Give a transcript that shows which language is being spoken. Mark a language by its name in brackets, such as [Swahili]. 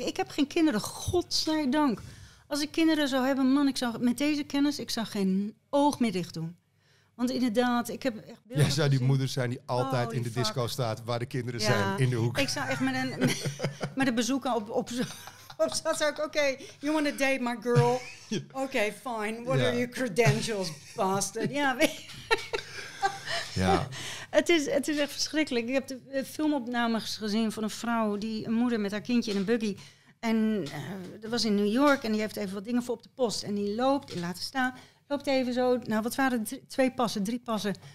[Dutch] Ik heb geen kinderen, godzijdank. Als ik kinderen zou hebben, man, ik zou met deze kennis, ik zou geen oog meer dicht doen. Want inderdaad, ik heb echt beelden. Jij zou die moeder zijn die altijd in de disco staat, waar de kinderen zijn, in de hoek. Ik zou echt met een bezoeker op staat, zou ik, oké, [English] you want to date my girl? Oké, fine, what are your credentials, bastard? [Dutch] Ja, weet je. Ja. Het is echt verschrikkelijk. Ik heb de filmopnames gezien van een vrouw, die een moeder met haar kindje in een buggy. En dat was in New York en die heeft even wat dingen voor op de post. En die loopt, die laat staan, loopt even zo. Nou, wat waren drie passen.